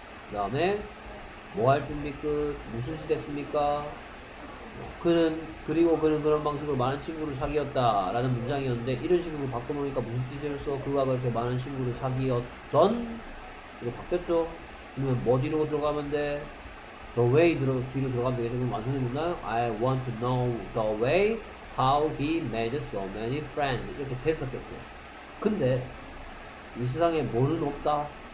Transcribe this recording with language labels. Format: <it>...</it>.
<ko>그 다음에 뭐 할 준비 끝? 무슨 시 됐습니까? 그는 그리고 그는 그런 방식으로 많은 친구를 사귀었다 라는 문장이었는데 이런 식으로 바꿔놓으니까 무슨 뜻을 써? 그가 그렇게 많은 친구를 사귀었던? 이거 바뀌었죠. 그러면 뭐 뒤로 들어가면 돼?</ko> <en>The way</en> <ko>뒤로 들어가면 되겠죠. 그럼 완전히 묻나요?</ko> <en>I want to know the way how he made so many friends.</en> <ko>이렇게 됐었겠죠. 근데 이 세상에 뭐는 없다?</ko>